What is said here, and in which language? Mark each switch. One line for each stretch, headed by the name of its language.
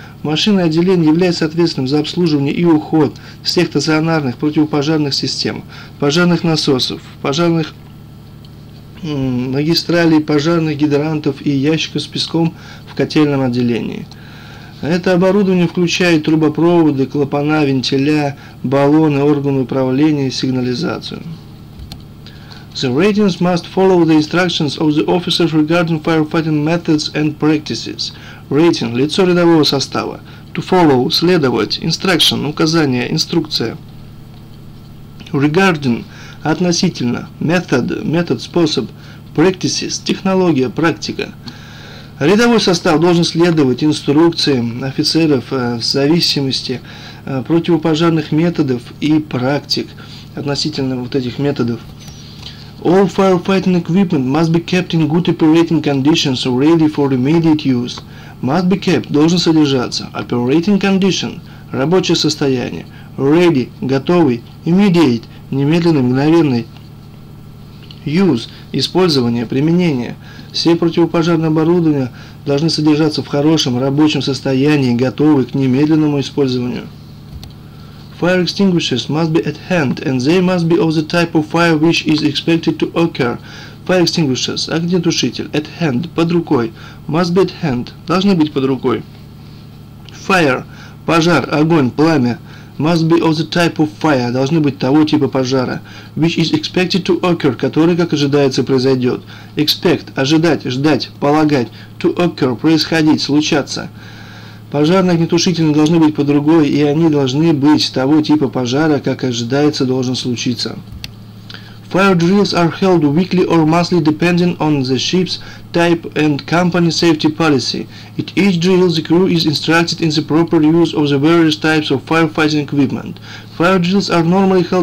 Russian: Машинное отделение является ответственным за обслуживание и уход всех стационарных противопожарных систем, пожарных насосов, пожарных магистралей, пожарных гидрантов и ящиков с песком в котельном отделении. Это оборудование включает трубопроводы, клапана, вентиля, баллоны, органы управления и сигнализацию.
English: The ratings must follow the instructions of the officers regarding firefighting methods and practices. Rating
Russian: – лицо рядового состава.
English: To follow
Russian: – следовать.
English: Instruction
Russian: – указание, инструкция.
English: Regarding
Russian: – относительно.
English: Method
Russian: – метод, способ.
English: Practices
Russian: – технология, практика. Рядовой состав должен следовать инструкциям офицеров в зависимости противопожарных методов и практик относительно вот этих методов.
English: All firefighting equipment must be kept in good operating conditions ready for immediate use. Must be kept –
Russian: должен содержаться.
English: Operating condition –
Russian: рабочее состояние.
English: Ready
Russian: – готовый.
English: Immediate
Russian: – немедленный, мгновенный.
English: Use
Russian: – использование, применение. Все противопожарные оборудования должны содержаться в хорошем рабочем состоянии, готовы к немедленному использованию.
English: Fire extinguishers must be at hand and they must be of the type of fire which is expected to occur. Fire extinguishers
Russian: – огнетушитель.
English: At hand
Russian: – под рукой.
English: Must be at hand
Russian: – должны быть под рукой.
English: Fire
Russian: – пожар, огонь, пламя.
English: Must be of the type of fire
Russian: – должны быть того типа пожара.
English: Which is expected to occur –
Russian: который, как ожидается, произойдет.
English: Expect
Russian: – ожидать, ждать, полагать.
English: To occur
Russian: – происходить, случаться. Пожарные огнетушители должны быть под рукой, и они должны быть того типа пожара, как ожидается, должен случиться.
English: Fire drills are held weekly or monthly depending on the ship's type and company safety policy. At each drill, the crew is instructed in the proper use of the various types of firefighting equipment. Fire drills are normally held